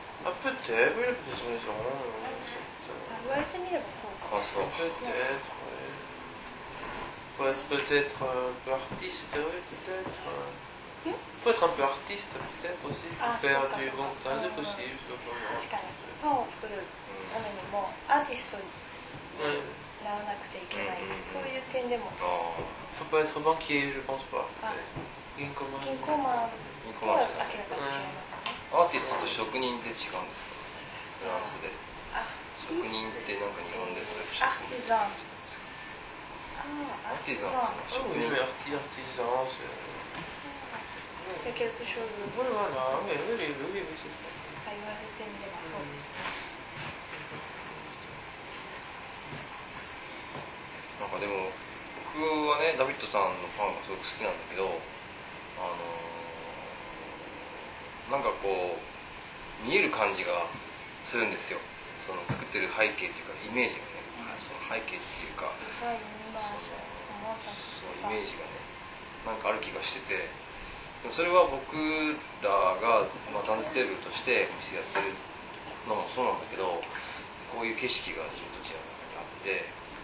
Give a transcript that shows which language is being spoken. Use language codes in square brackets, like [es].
[ja] あ、ペテーブルペテーブル。言われてみればそうか。あ、そう。ペテーブル。 [fr] Faut être peut-être un peu artiste, oui, peut-être. Faut être un peu artiste, peut-être aussi. Faire du montage, c'est possible. [ja] 確かに。パンを作るためにも、アーティストに。ならなくちゃいけない、そういう点でも。 [fr] ああ、faut pas être banquier, je pense pas。 [ja] 銀行マン。銀行マンとは明らかに違いますね。アーティストと職人で違うんですか？フランスで。職人ってなんか日本でそれ。アーティザン。アーティザン。職人。 [fr] oui, artiste, artisan, c'est. quelque chose. voilà, oui, oui, oui, oui, oui, c'est ça. [ja] 言われてみればそうです。なんかでも僕はねダビッドさんのパンがすごく好きなんだけど、なんかこう見える感じがするんですよ、その作ってる背景っていうかイメージがね、その背景っていうかそのイメージがねなんかある気がしてて、でもそれは僕らがまあダンステーブルとしてやってるのもそうなんだけど、こういう景色が自分たちの中にあって、